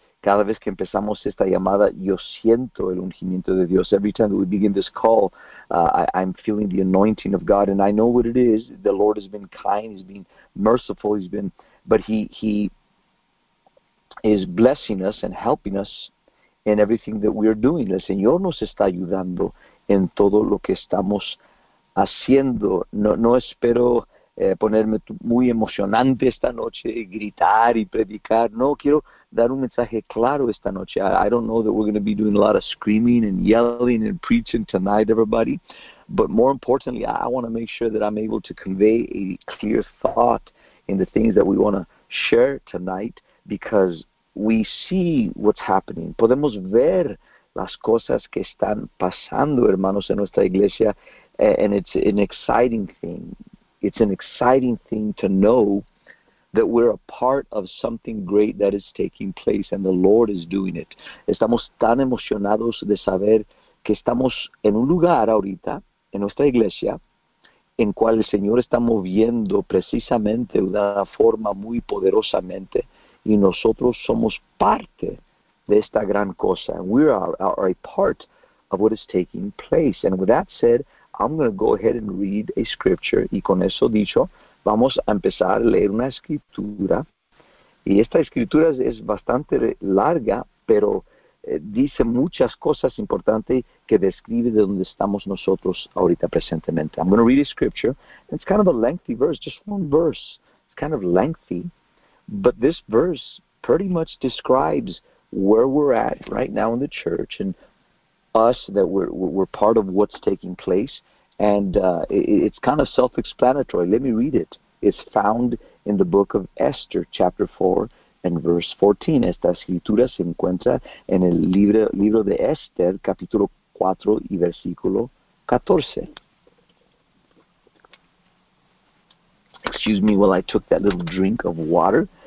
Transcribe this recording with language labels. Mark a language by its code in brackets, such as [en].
[es] Cada vez que empezamos esta llamada, yo siento el ungimiento de Dios. [en] Every time that we begin this call, I'm feeling the anointing of God, and I know what it is. The Lord has been kind, He's been merciful, He's been, but He is blessing us and helping us in everything that we are doing. [es] El Señor nos está ayudando en todo lo que estamos haciendo. No espero ponerme muy emocionante esta noche, gritar y predicar. No, quiero dar un mensaje claro esta noche. [en] I don't know that we're going to be doing a lot of screaming and yelling and preaching tonight, everybody. But more importantly, I want to make sure that I'm able to convey a clear thought in the things that we want to share tonight, because we see what's happening. [es] Podemos ver las cosas que están pasando, hermanos, en nuestra iglesia, [en] and it's an exciting thing. It's an exciting thing to know that we're a part of something great that is taking place and the Lord is doing it. [es] Estamos tan emocionados de saber que estamos en un lugar ahorita, en nuestra iglesia, en cual el Señor está moviendo precisamente de una forma muy poderosamente, y nosotros somos parte de esta gran cosa. [en] We are a part of what is taking place. And with that said, I'm going to go ahead and read a scripture. [es] Y con eso dicho, vamos a empezar a leer una escritura. Y esta escritura es bastante larga, pero dice muchas cosas importantes que describe de donde estamos nosotros ahorita presentemente. [en] I'm going to read a scripture. It's kind of a lengthy verse, just one verse. It's kind of lengthy. But this verse pretty much describes where we're at right now in the church and us, that we're part of what's taking place. And it's kind of self-explanatory. Let me read it. It's found in the book of Esther, chapter 4 and verse 14. [es] Esta escritura se encuentra en el libro de Esther, capítulo 4 y versículo 14. [en] Excuse me while I took that little drink of water.